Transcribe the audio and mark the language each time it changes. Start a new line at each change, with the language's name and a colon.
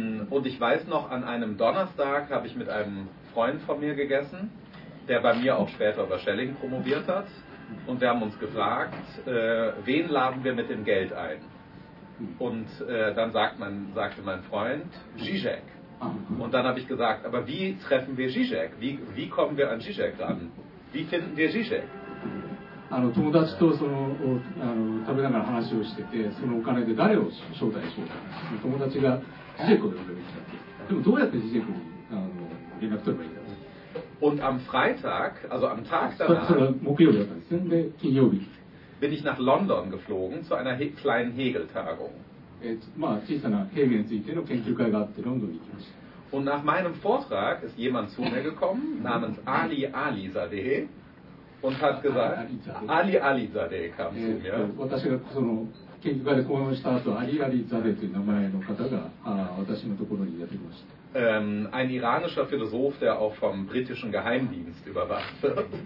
German: und ich weiß noch, an einem Donnerstag habe ich mit einem Freund von mir gegessen, der bei mir auch später über Schelling promoviert hat. Und wir haben uns gefragt, wen laden wir mit dem Geld ein? Und dann sagte mein Freund, Žižek. Und dann habe ich gesagt, aber wie treffen wir Žižek? Wie kommen wir an Žižek ran? Wie finden wir Žižek?
Japanese: 友達とその食べながら話をしてて、そのお金で誰を招待しようか、友達がジジェクを呼んできた。でもどうやってジジェクに連絡取ればいいんだろう。
German: Und am Freitag, also am Tag danach,
Japanese: それは木曜日だったんですね。で、金曜日。
German: Bin ich nach London geflogen zu einer kleinen Hegel-Tagung.
Japanese: まあ、小さなヘーゲルについての研究会があって、ロンドンに行きました。
German: Und nach meinem Vortrag ist jemand zu mir gekommen, namens Ali Ali Sadeh. Und hat gesagt, Ali Ali Zadeh kam zu mir.
Japanese: 私がその研究会で講演した後、Ali Ali Zadeh という名前の方が私のところにやってきました。
German: Ein iranischer Philosoph, der auch vom britischen Geheimdienst überwacht wird.